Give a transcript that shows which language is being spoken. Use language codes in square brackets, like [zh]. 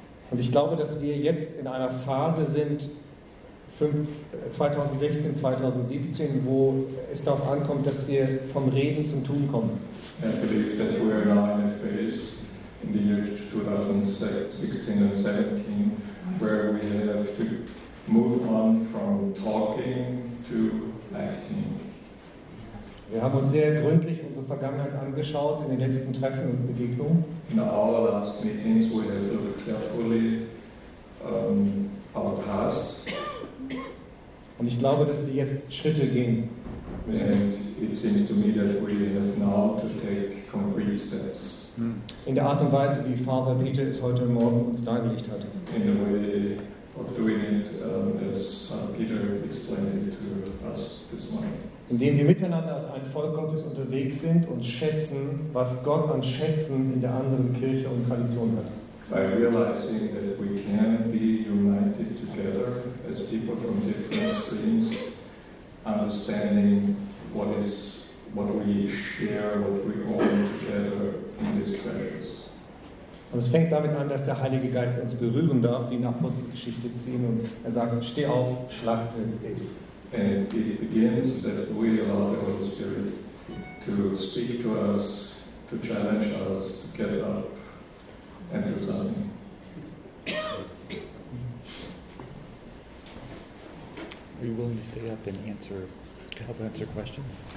[de] Und ich glaube, dass wir jetzt in einer Phase sind, 2016, 2017, wo es darauf ankommt, dass wir vom Reden zum Tun kommen. [en] I believe that we are now in a phase in the year 2016 and 17, where we have to move on from talking to acting. [de] Wir haben uns sehr gründlich unsere Vergangenheit angeschaut in den letzten Treffen und Begegnungen. [en] In our last meetings we have looked carefully our past. [de] Und ich glaube, dass wir jetzt Schritte gehen. [en] And it seems to me that we have now to take concrete steps. [de] In der Art und Weise, wie Father Peter es heute Morgen uns dargelegt hat. [en] In the way of doing it as Peter explained it to us this morning. [de] Indem wir miteinander als ein Volk Gottes unterwegs sind und schätzen, was Gott an Schätzen in der anderen Kirche und Tradition hat. [en] By realizing that we can be united together as people from different streams, understanding what we share, what we own together in these treasures. [de] Und es fängt damit an, dass der Heilige Geist uns berühren darf, wie in Apostelgeschichte 10, und er sagt, steh auf, schlachte es. [en] And it begins that we allow the Holy Spirit to speak to us, to challenge us, to get up and do something. Are you willing to stay up and help answer questions?